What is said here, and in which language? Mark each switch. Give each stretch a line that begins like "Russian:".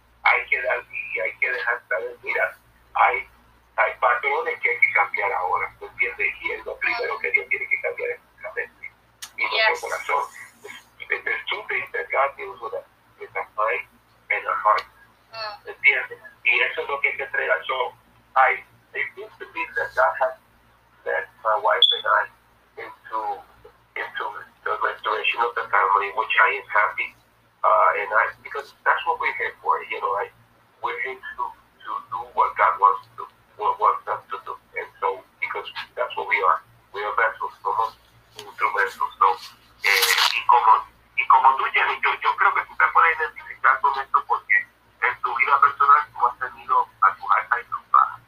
Spanish: Hay que dar y hay que dejar saber, mira, hay patrones que hay que cambiar ahora, ¿me entiendes? Y es lo primero que Dios tiene que cambiar es nuestra mente y nuestro corazón.
English: It's two things that God deals with us, with our mind and our heart,
Spanish: ¿me entiendes? Y eso es lo que hay que entregar.
English: So, it seems to be that God has led my wife and I into the restoration of the family, which I am happy. Because that's what we're here for, you know, right? We're here to do what God wants to do, what wants us to do. And so, because that's what we are. We are vessels,
Spanish: somos instrumentos, ¿no? Y como tú, Jenny, yo creo que tú te puedes identificar con esto porque en tu vida personal tú has tenido a tu alta y tu baja.